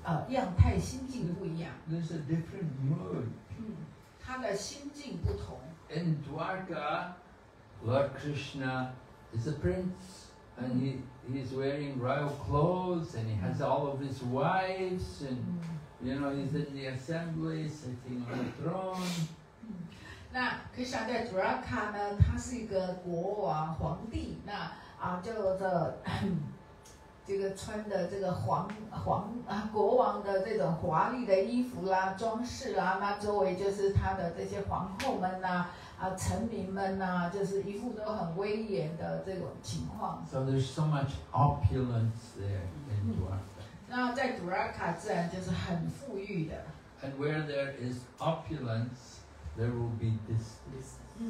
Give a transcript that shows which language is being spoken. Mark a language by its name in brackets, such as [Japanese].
[Chinese] 即便Krishna自己本人呢，也有很多方面的展示，像他在Dwarka跟在Vrindavan呢，他的就是样态心境不一样。 [English] There's a different mood. [Chinese] 他的心境不同。 [English] In Dwarka, Lord Krishna is a prince. And he's wearing royal clothes, and he has all of his wives, and you know, he's in the assembly, sitting on the throne. [Chinese] 那Krishna在Dwarka呢，他是一个国王皇帝，那就这个穿的这个国王的这种华丽的衣服啦、装饰啦，那周围就是他的这些皇后们呐。臣民们呐，就是一副都很威严的这种情况。 [English] So there's so much opulence there in Dwarka. [Chinese] 那在Dwarka自然就是很富裕的。 [English] And where there is opulence, there will be distance.